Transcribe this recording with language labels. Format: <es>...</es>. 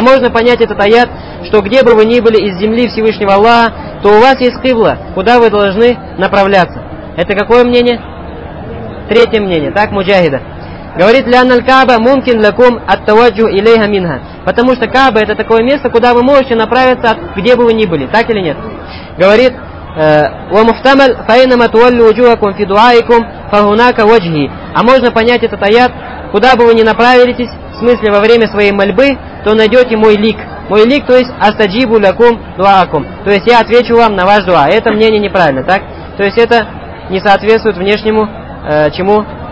<ru>А можно понять этот аят, что где бы вы ни были из земли Всевышнего Аллаха, то у вас есть кибла, куда вы должны направляться. Это какое мнение? Третье мнение, так, муджахида. Говорит,</ru> <ar>ляналь кааба мумкин лакум аттаваджу илейха минха.</ar> <ru>Потому что кааба это такое место, куда вы можете направиться, где бы вы ни были, так или нет? Говорит,</ru> <ar>وَمُفْتَمَلْ فَإِنَّمَ تُوَلُّ وَجُوَكُمْ فِي دُعَائِكُمْ فَهُنَاكَ وَجْهِ.</ar> <ru>А можно понять этот аят, куда бы вы ни направились, в смысле во время своей мольбы, то найдете мой лик. Мой лик, то есть</ru> <ar>أَسْتَجِيبُ لَكُمْ دُعَاكُمْ.</ar> <ru>То есть я отвечу вам на ваш дуа. Это мнение неправильно, так? То есть это не соответствует внешнему, чему?</ru>